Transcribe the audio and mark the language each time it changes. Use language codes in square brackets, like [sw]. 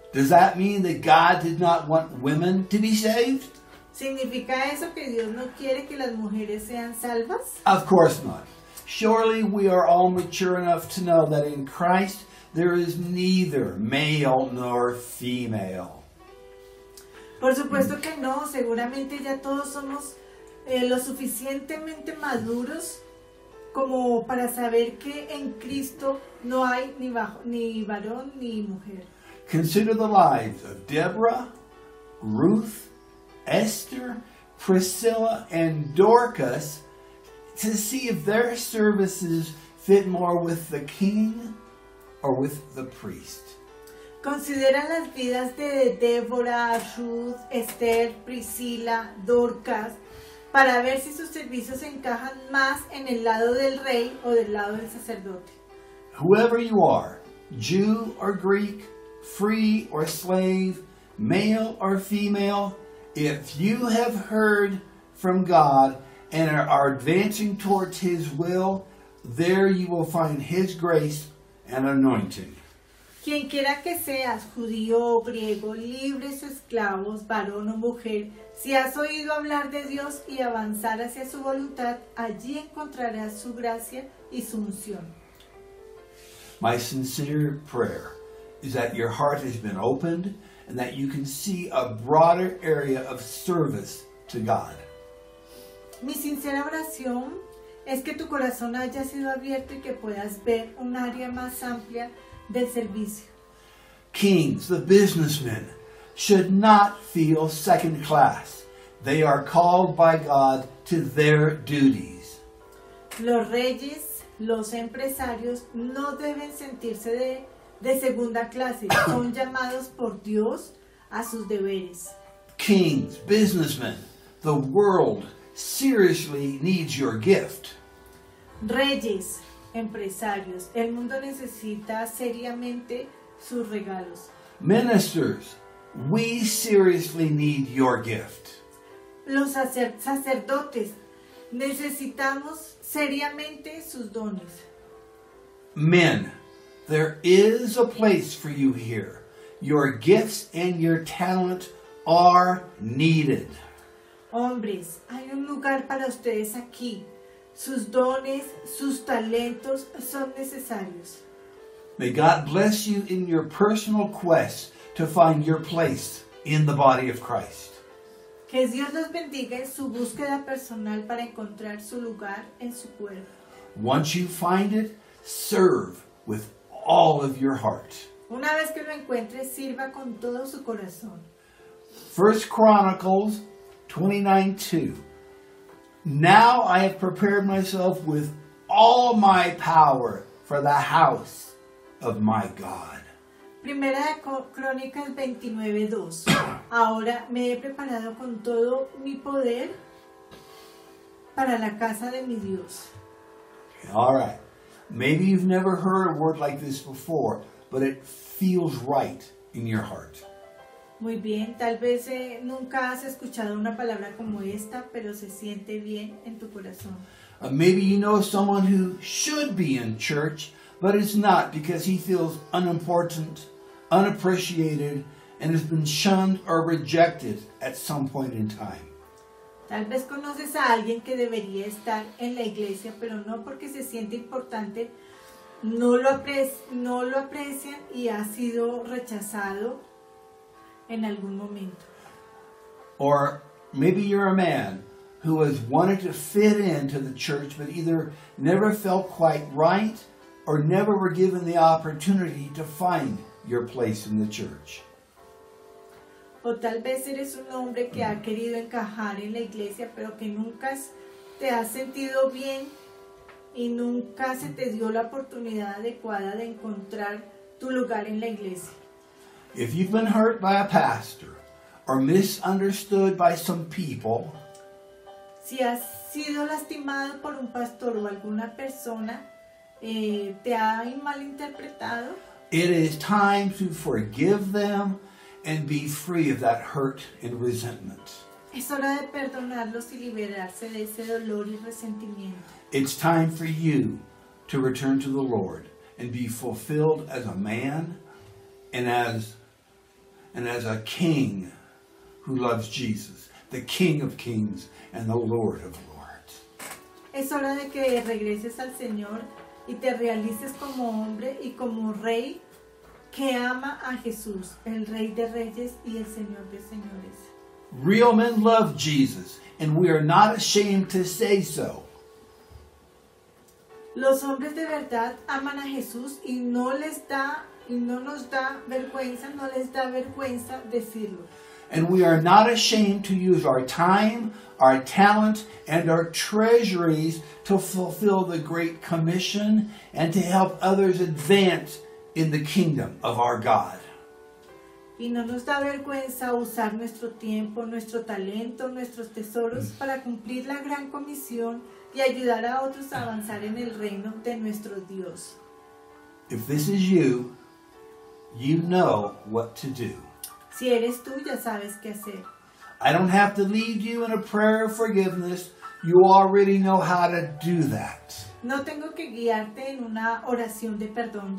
[en] Does that mean that God did not want women to be saved? [es] ¿Significa eso que Dios no quiere que las mujeres sean salvas? [en] Of course not. Surely we are all mature enough to know that in Christ there is neither male nor female. [es] Por supuesto que no, seguramente ya todos somos lo suficientemente maduros como para saber que en Cristo no hay ni varón ni mujer. [en] Consider the lives of Deborah, Ruth, Esther, Priscilla, and Dorcas to see if their services fit more with the king or with the priest. [es] Considera las vidas de Débora, Ruth, Esther, Priscila, Dorcas, para ver si sus servicios encajan más en el lado del rey o del lado del sacerdote. [en] Whoever you are, Jew or Greek, free or slave, male or female, if you have heard from God and are advancing towards His will, there you will find His grace and anointing. [es] Quien quiera que seas, judío o griego, libres o esclavos, varón o mujer, si has oído hablar de Dios y avanzar hacia su voluntad, allí encontrarás su gracia y su unción. [en] My sincere prayer is that your heart has been opened and that you can see a broader area of service to God. [es] Mi sincera oración es que tu corazón haya sido abierto y que puedas ver un área más amplia del servicio. [en] Kings, the businessmen, should not feel second class. They are called by God to their duties. [es] Los reyes, los empresarios, no deben sentirse de segunda clase. Son llamados por Dios a sus deberes. [en] Kings, businessmen, the world seriously needs your gift. [es] Reyes, empresarios, el mundo necesita seriamente sus regalos. [en] Ministers, we seriously need your gift. [es] Los sacerdotes, necesitamos seriamente sus dones. [en] Men, there is a place for you here. Your gifts and your talent are needed. [es] Hombres, hay un lugar para ustedes aquí. Sus dones, sus talentos son necesarios. [en] May God bless you in your personal quest to find your place in the body of Christ. [es] Que Dios los bendiga en su búsqueda personal para encontrar su lugar en su cuerpo. [en] Once you find it, serve with all of your heart. [es] Una vez que lo encuentre, sirva con todo su corazón. [en] 1 Chronicles 29:2. Now I have prepared myself with all my power for the house of my God. [es] Primera de Crónicas 29:2. Ahora me he preparado con todo mi poder para la casa de mi Dios. [en] All right. Maybe you've never heard a word like this before, but it feels right in your heart. [es] Muy bien, tal vez nunca has escuchado una palabra como esta, pero se siente bien en tu corazón. [en] Maybe you know someone who should be in church, but is not because he feels unimportant, unappreciated, and has been shunned or rejected at some point in time. [es] Tal vez conoces a alguien que debería estar en la iglesia, pero no porque se siente importante, no lo aprecia y ha sido rechazado en algún momento. [en] Or maybe you're a man who has wanted to fit into the church, but either never felt quite right or never were given the opportunity to find your place in the church. [es] O tal vez eres un hombre que ha querido encajar en la iglesia, pero que nunca te has sentido bien y nunca se te dio la oportunidad adecuada de encontrar tu lugar en la iglesia. [en] If you've been hurt by a pastor or misunderstood by some people, [es] si has sido lastimado por un pastor o alguna persona, te ha malinterpretado, [en] it is time to forgive them and be free of that hurt and resentment. [es] Es hora de perdonarlos y liberarse de ese dolor y resentimiento. [en] It's time for you to return to the Lord and be fulfilled as a man and as a king who loves Jesus, the King of Kings and the Lord of Lords. [es] Es hora de que regreses al Señor y te realices como hombre y como rey que ama a Jesús, el Rey de Reyes y el Señor de Señores. [en] Real men love Jesus, and we are not ashamed to say so. [es] Los hombres de verdad aman a Jesús y no les da vergüenza decirlo. [en] And we are not ashamed to use our time, our talent, and our treasuries to fulfill the Great Commission and to help others advance in the kingdom of our God. [es] Y no nos da vergüenza usar nuestro tiempo, nuestro talento, nuestros tesoros para cumplir la gran comisión y ayudar a otros a avanzar en el reino de nuestro Dios. [en] If this is you, you know what to do. [es] Si eres tú, ya sabes qué hacer. [en] I don't have to lead you in a prayer of forgiveness. You already know how to do that. [es] No tengo que guiarte en una oración de perdón.